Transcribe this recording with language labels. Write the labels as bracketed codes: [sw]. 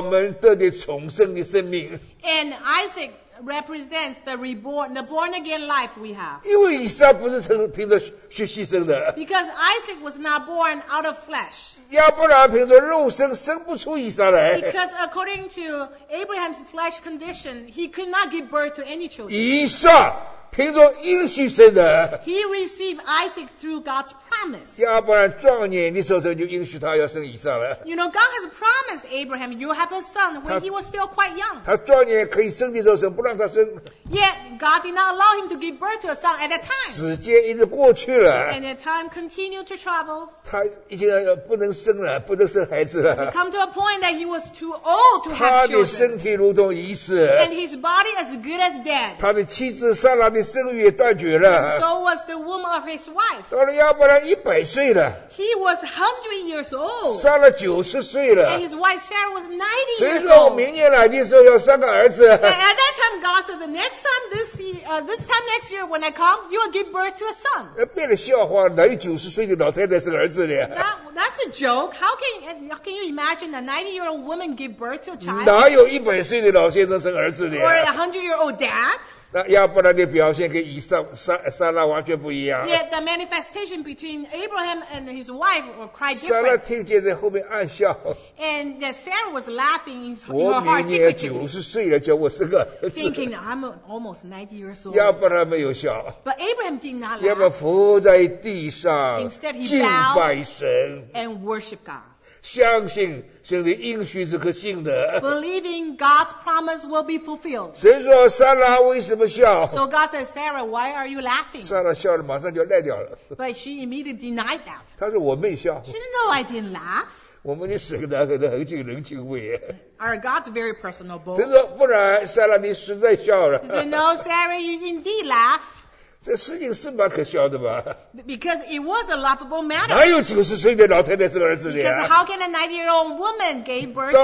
[zh] 以撒特别预表我们得的重生的生命。 [en] And Isaac represents the reborn, the born again life we have. [zh] 因为以撒不是凭着血气生的。 [en] Because Isaac was not born out of flesh. [zh] 要不然凭着肉身生不出以撒来。 [en] Because according to Abraham's flesh condition, he could not give birth to any children. [zh] 以撒 凭着应许生的, [en] he received Isaac through God's promise. [zh] 要不然壮年的时候就应许他要生以撒了。 [en] You know, God has promised Abraham, you have a son when he was still quite young. [zh] 他壮年可以生的时候生不让他生。 [en] Yet, God did not allow him to give birth to a son at that time. [zh] 时间一直过去了。 [en] And the time continued to travel. [zh] 他已经不能生了，不能生孩子了。 [en] He come to a point that he was too old to have children. [zh] 他的身体如同已死。 [en] And his body as good as dead. [zh] 他的妻子撒拉 [en] So was the womb of his wife. [zh] 到了亚伯兰100岁了。 [en] He was 100 years old. [zh] 杀了90岁了。 [en] And his wife Sarah was 90 years old. [zh] 谁说我明年来的时候要生个儿子？ [en] At that time, God said, "The next time this time next year when I come, you will give birth to a son." [zh] 别的笑话，哪有90岁的老太太生儿子的？ [en] That's a joke. How can you imagine a 90 year old woman give birth to a child? [zh] 哪有100岁的老先生生儿子的？ [en] Or a 100 year old dad? [zh] 那亚伯兰的表现跟以撒撒撒拉完全不一样。 [en] Yet the manifestation between Abraham and his wife were quite different. [zh] 撒拉听见在后面暗笑。 [en] And that Sarah was laughing in her heart secretly. [zh] 我明年90岁了，叫我生个儿子。 [en] Thinking I'm almost 90 years old. [zh] 亚伯兰没有笑。 [en] But Abraham did not laugh. [zh] 亚伯兰伏在地上。 [en] Instead he bowed. [zh] 敬拜神。 [en] And worship God. [zh] 相信神的应许是可信的。 [en] Believing God's promise will be fulfilled. [zh] 神说撒拉为什么笑？ [en] So God said, Sarah, why are you laughing? [zh] 撒拉笑了，马上就赖掉了。 [en] But she immediately denied that. [zh] 她说我没笑。 [en] She didn't know I didn't laugh. [zh] 我们的神呢，可能很有人情味。 [en] Our God's very personable. [zh] 神说不然，撒拉你实在笑了。 [en] He said, No, Sarah, you indeed laugh. [zh] 这事情是蛮可笑的吧。 [en] Because it was a laughable matter. [zh] 哪有90岁的老太太生儿子的呀。 [en] Because how can a 90-year-old woman gave birth to a son?